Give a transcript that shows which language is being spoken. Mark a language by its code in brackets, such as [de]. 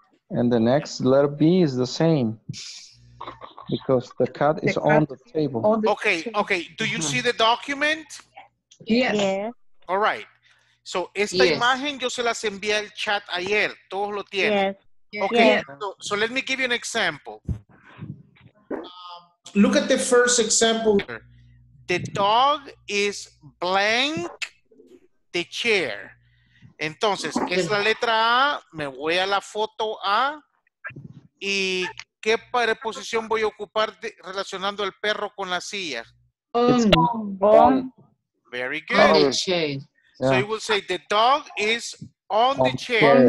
[en] And the next letter B is the same because the cat the is cat on the table. On the okay, chair. Okay. Do you see the document? Yes. All right. [es] So esta imagen yo se las envié al chat ayer. Todos lo tienen. [en] Yes. Okay. Yes. So let me give you an example. Look at the first example. The dog is blank the chair. [es] Entonces, ¿qué es la letra A? Me voy a la foto A. ¿Y qué preposición voy a ocupar relacionando el perro con la silla? [en] On. Very good. On the chair. So you will say the dog is on the chair.